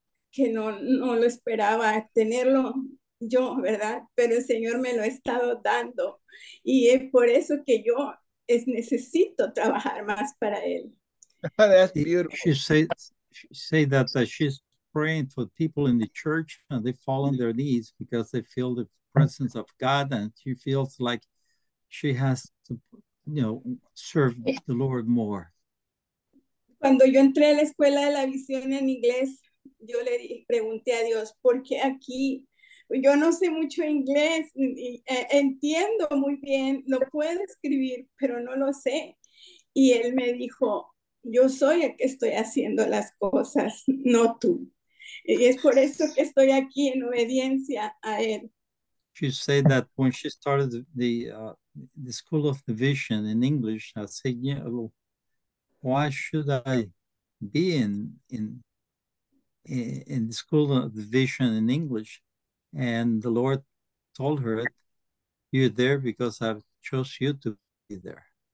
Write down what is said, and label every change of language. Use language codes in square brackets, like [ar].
[es] que no, no lo esperaba tenerlo yo, ¿verdad? Pero el Señor me lo ha estado dando y es por eso que yo necesito trabajar más para él. [en] That's beautiful. She said that she's praying for people in the church and they fall on their knees because they feel the presence of God, and she feels like she has to, serve the Lord more. [es] Cuando yo entré a la escuela de la visión en inglés, yo le pregunté a Dios, ¿por qué aquí? Yo no sé mucho inglés, entiendo muy bien, lo puedo escribir, pero no lo sé. Y él me dijo, yo soy el que estoy haciendo las cosas, no tú. Y es por eso que estoy aquí en obediencia a él. [en] She said that when she started the School of the Vision in English, I said, why should I be in the School of the Vision in English? And the Lord told her, you're there because I've chose you to be there.